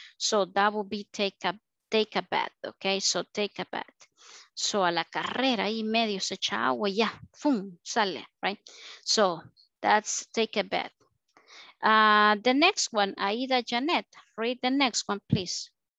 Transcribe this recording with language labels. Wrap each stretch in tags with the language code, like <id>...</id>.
<en>So that would be take a bath, okay? So take a bath.</en> <es>So a la carrera y medio se echa agua y ya, ¡fum!, sale, right?</es> <en>So that's take a bath. The next one, Aida Janet, read the next one, please.</en>